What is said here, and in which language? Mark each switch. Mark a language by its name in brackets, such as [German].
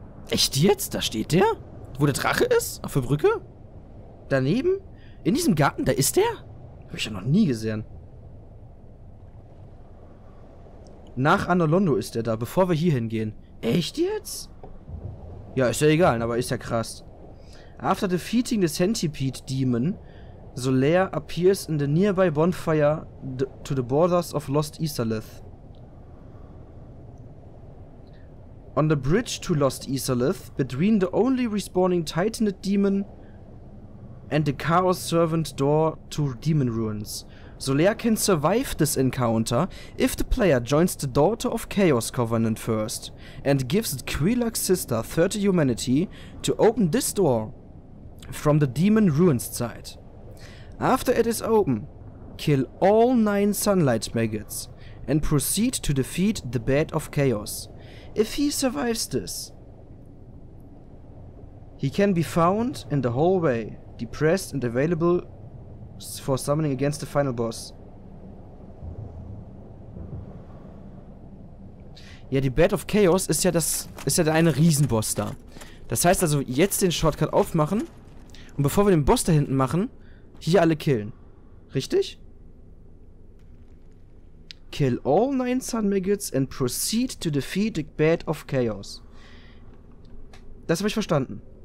[German] Echt jetzt? Da steht der? Wo der Drache ist? Auf der Brücke? Daneben? In diesem Garten? Da ist der? Hab ich ja noch nie gesehen. Nach Anor Londo ist der da, bevor wir hier hingehen. Echt jetzt? Ja, ist ja egal, aber ist ja krass. [English] After defeating the Centipede Demon, Solaire appears in the nearby bonfire to the borders of Lost Isalith. On the bridge to Lost Isalith, between the only respawning Titanid Demon and the Chaos Servant door to Demon Ruins, Solaire can survive this encounter if the player joins the Daughter of Chaos Covenant first and gives Quilak's sister 30 humanity to open this door from the Demon Ruins side. After it is open, kill all 9 Sunlight Maggots and proceed to defeat the Bed of Chaos. If he survives this, he can be found in the hallway, depressed and available for summoning against the final boss. [German] Ja, die Bed of Chaos ist ja das, ist ja der eine Riesenboss da. Das heißt also, jetzt den Shortcut aufmachen und bevor wir den Boss da hinten machen, hier alle killen. Richtig? [English] Kill all 9 Sun Maggots and proceed to defeat the Bed of Chaos. [German] Das habe ich verstanden.